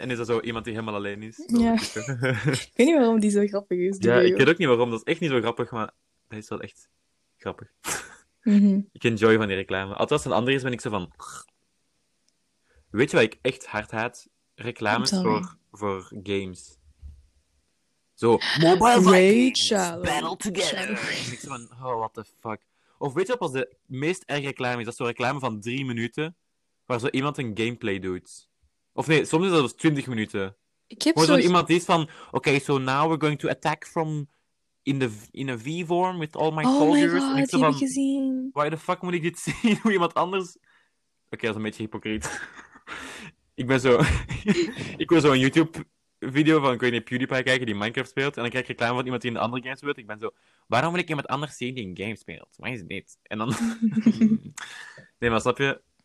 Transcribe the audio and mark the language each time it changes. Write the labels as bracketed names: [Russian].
[Dutch] En is dat zo iemand die helemaal alleen is? Ja. Ik weet niet waarom die zo grappig is. Ja, video. Ik weet ook niet waarom. Dat is echt niet zo grappig, maar... Dat is wel echt grappig. Mm-hmm. Ik enjoy van die reclame. Althans, een andere is, ben ik zo van... Weet je wat ik echt hard haat? Reclames voor games. Zo, Mobile Vikings, battle together. Ik zo van, [English] oh, what the fuck. [Dutch] Of weet je wat pas de meest erge reclame is? Dat is zo'n reclame van 3 minuten, waar zo iemand een gameplay doet. Of nee, soms is dat dus 20 minuten. Ik heb zo iemand die is van, [English] okay, so now we're going to attack from... In a V-vorm, with all my soldiers. Oh my god, [Dutch] die heb ik gezien. [English] Why the fuck [Dutch] moet ik dit zien? Hoe iemand anders... Oké, dat is een beetje hypocriet. Ik ben zo... ik wil zo een YouTube-video van Queenie PewDiePie kijken, die Minecraft speelt. En dan krijg ik reclame van iemand die in een andere game speelt. Ik ben zo... Waarom wil ik iemand anders zien die een game speelt? Waar is dit? En dan... Nee, maar snap je?